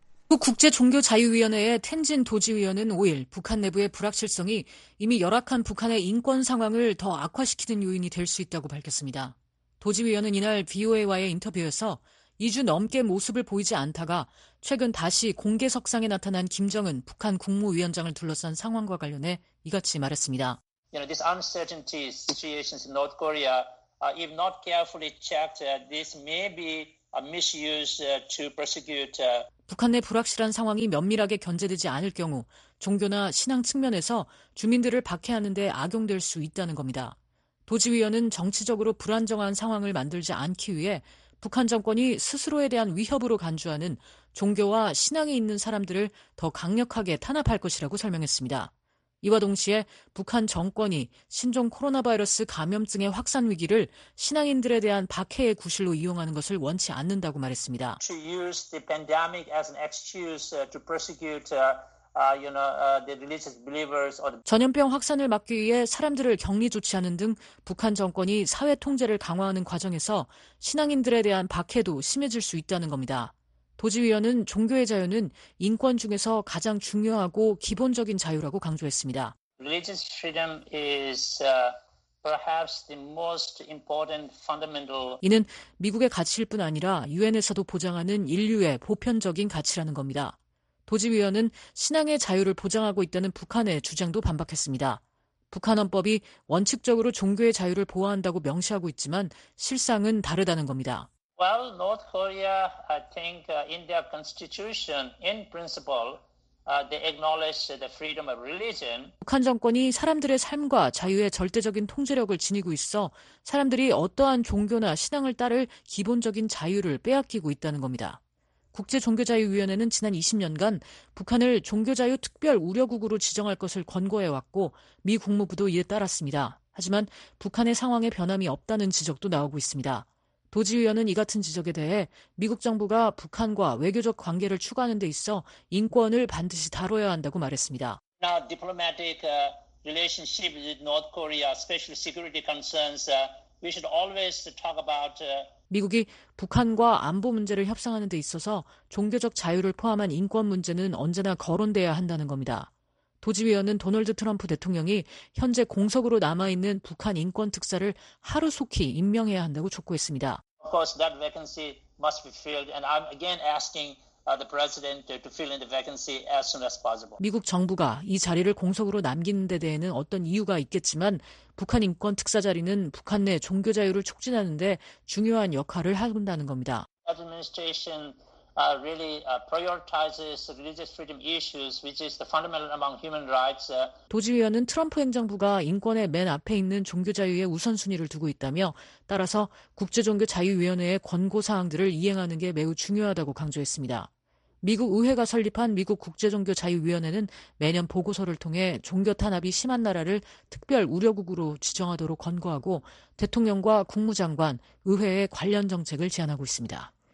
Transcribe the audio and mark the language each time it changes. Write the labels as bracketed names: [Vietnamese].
[Korean] 미국 국제종교자유위원회의 텐진 도지위원은 5일 북한 내부의 불확실성이 이미 열악한 북한의 인권 상황을 더 악화시키는 요인이 될 수 있다고 밝혔습니다. 도지위원은 이날 VOA와의 인터뷰에서 2주 넘게 모습을 보이지 않다가 최근 다시 공개석상에 나타난 김정은 북한 국무위원장을 둘러싼 상황과 관련해 이같이 말했습니다. [English] You know, this uncertainty situations in North Korea, if not carefully checked, this may be a misuse to persecute. [Korean] 북한 내 불확실한 상황이 면밀하게 견제되지 않을 경우 종교나 신앙 측면에서 주민들을 박해하는 데 악용될 수 있다는 겁니다. 도지위원은 정치적으로 불안정한 상황을 만들지 않기 위해 북한 정권이 스스로에 대한 위협으로 간주하는 종교와 신앙이 있는 사람들을 더 강력하게 탄압할 것이라고 설명했습니다. 이와 동시에 북한 정권이 신종 코로나 바이러스 감염증의 확산 위기를 신앙인들에 대한 박해의 구실로 이용하는 것을 원치 않는다고 말했습니다. [English] To use the pandemic as an excuse to persecute the religious believers or the... [Korean] 전염병 확산을 막기 위해 사람들을 격리 조치하는 등 북한 정권이 사회 통제를 강화하는 과정에서 신앙인들에 대한 박해도 심해질 수 있다는 겁니다. 도지위원은 종교의 자유는 인권 중에서 가장 중요하고 기본적인 자유라고 강조했습니다. [English] Religious freedom is perhaps the most important fundamental. [Korean] 이는 미국의 가치일 뿐 아니라 UN에서도 보장하는 인류의 보편적인 가치라는 겁니다. 도지위원은 신앙의 자유를 보장하고 있다는 북한의 주장도 반박했습니다. 북한 헌법이 원칙적으로 종교의 자유를 보호한다고 명시하고 있지만 실상은 다르다는 겁니다. [English] Well, North Korea, I think in their constitution, in principle, they acknowledge the freedom of religion. [Korean] 북한 정권이 사람들의 삶과 자유의 절대적인 통제력을 지니고 있어 사람들이 어떠한 종교나 신앙을 따를 기본적인 자유를 빼앗기고 있다는 겁니다. 국제종교자유위원회는 지난 20년간 북한을 종교자유 특별 우려국으로 지정할 것을 권고해왔고 미 국무부도 이에 따랐습니다. 하지만 북한의 상황에 변함이 없다는 지적도 나오고 있습니다. 도지위원은 이 같은 지적에 대해 미국 정부가 북한과 외교적 관계를 추구하는 데 있어 인권을 반드시 다뤄야 한다고 말했습니다. [English] Now, diplomatic relationship with North Korea, special security concerns, we should always talk about... [Korean] 미국이 북한과 안보 문제를 협상하는 데 있어서 종교적 자유를 포함한 인권 문제는 언제나 거론돼야 한다는 겁니다. 도지위원은 도널드 트럼프 대통령이 현재 공석으로 남아있는 북한 인권 특사를 하루속히 임명해야 한다고 촉구했습니다. [English] Of course, that vacancy must be filled, and I'm again asking the president to fill in the vacancy as soon as possible. [Korean] 미국 정부가 이 자리를 공석으로 남기는 데 대해는 어떤 이유가 있겠지만 북한 인권 특사 자리는 북한 내 종교 자유를 촉진하는 데 중요한 역할을 한다는 겁니다. [English] Administration really prioritizes religious freedom issues, which is the fundamental among human rights. [Korean] 도지위원은 트럼프 행정부가 인권의 맨 앞에 있는 종교 자유의 우선순위를 두고 있다며 따라서 국제종교자유위원회의 권고사항들을 이행하는 게 매우 중요하다고 강조했습니다. 미국 의회가 설립한 미국 국제종교자유위원회는 매년 보고서를 통해 종교 탄압이 심한 나라를 특별 우려국으로 지정하도록 권고하고 대통령과 국무장관, 의회의 관련 정책을 제안하고 있습니다.